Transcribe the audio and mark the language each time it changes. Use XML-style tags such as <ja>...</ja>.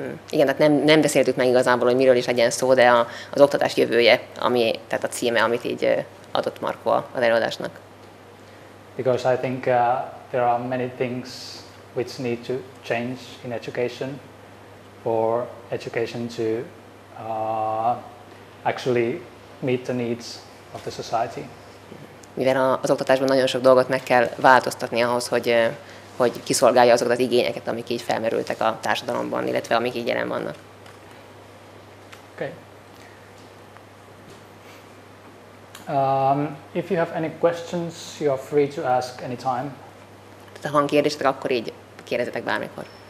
<hu>Igen, tehát nem beszéltük meg igazából, hogy miről is legyen szó, de az oktatás jövője, ami, tehát a címe, amit így adott Marko az előadásnak.</hu> <en>Because I think there are many things which need to change in education for education to actually meet the needs of the society.</en> <hu>Mivel az oktatásban nagyon sok dolgot meg kell változtatni ahhoz, hogy kiszolgálja azokat az igényeket, amik így felmerültek a társadalomban, illetve amik így jelen vannak.</hu> <en>Okay. If you have any questions, you are free to ask anytime.</en> <hu>Tehát ha van kérdésetek, akkor így kérdezzetek bármikor.</hu>